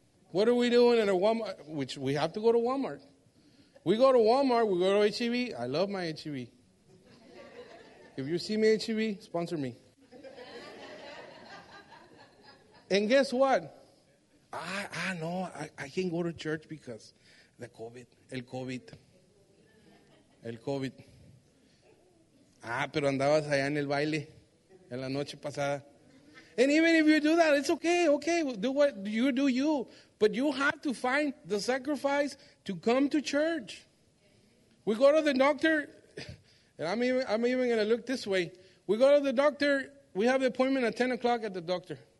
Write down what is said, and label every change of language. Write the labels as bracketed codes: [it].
[en] What are we doing at a Walmart? Which we have to go to Walmart. We go to Walmart. We go to HEB. I love my HEB. If you see me HEB, sponsor me. And guess what? I can't go to church because the COVID. [es] El COVID. Ah, pero andabas allá en el baile en la noche pasada. [en] And even if you do that, it's okay, do what you do you. But you have to find the sacrifice to come to church. We go to the doctor, and I'm even going to look this way. We go to the doctor, we have the appointment at 10 o'clock at the doctor.